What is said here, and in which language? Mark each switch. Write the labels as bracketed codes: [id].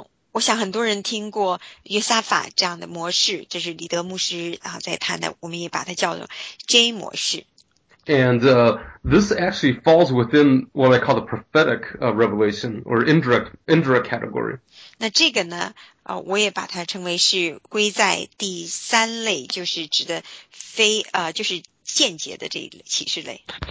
[zh] 我想很多人听过约瑟法这样的模式，这是李德牧师啊在谈的，我们也把它叫做 J 模式。 [en] And this actually falls within what I call the prophetic revelation or indirect category. [zh] 那这个呢，我也把它称为是归在第三类，就是指的非就是间接的这一类启示类。